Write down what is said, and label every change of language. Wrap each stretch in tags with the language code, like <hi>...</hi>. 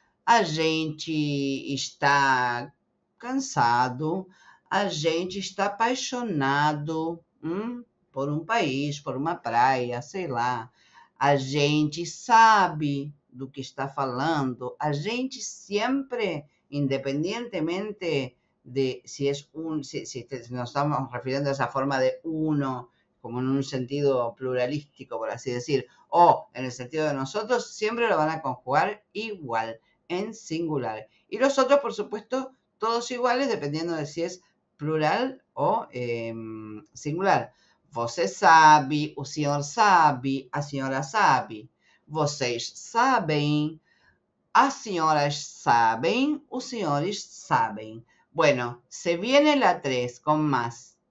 <pt>A gente está cansado, a gente está apaixonado, por um país, por uma praia, sei lá. A gente sabe do que está falando. A gente sempre, independentemente de</pt> <es>si es un, si nos estamos refiriendo a esa forma de uno, como en un sentido pluralístico, por así decir, o en el sentido de nosotros, siempre lo van a conjugar igual, en singular. Y los otros, por supuesto, todos iguales, dependiendo de si es plural o singular.</es> <pt>Você sabe, o senhor sabe, a senhora sabe. Vocês sabem, as senhoras sabem, os senhores sabem.</pt> <es>Bueno, se viene la 3 con más.</es>